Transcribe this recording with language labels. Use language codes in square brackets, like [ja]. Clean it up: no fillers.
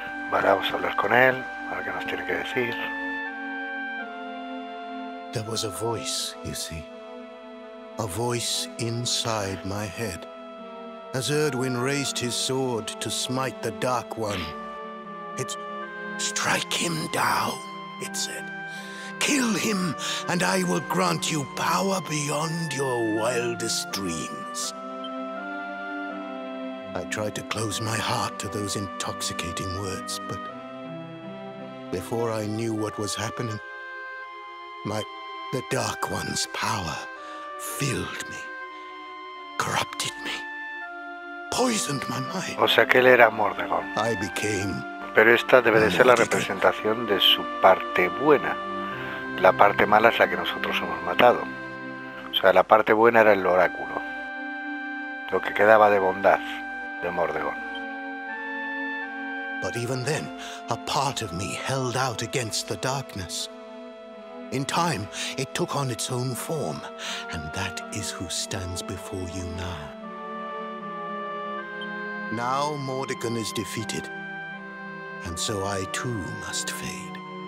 [es] Vale, vamos a hablar con él, a ver qué nos tiene que decir. [en] There was a voice, you see. A voice inside my head. As Erdwin raised his sword to smite the Dark One. It's... Strike him down, it said. Kill him, and I will grant you power beyond your wildest dreams. I tried to close my heart to those intoxicating words, but... Before I knew what was happening, the Dark One's power filled me, corrupted me, poisoned my mind. [es] O sea que él era Mordegon. [en] I became... [es] Pero esta debe de ser la representación de su parte buena. La parte mala es la que nosotros hemos matado. O sea, la parte buena era el oráculo. Lo que quedaba de bondad de Mordegon. [en] But even then, a part of me held out against the darkness. In time, it took on its own form, and that is who stands before you now. Now Mordegon is defeated, and so I too must fade.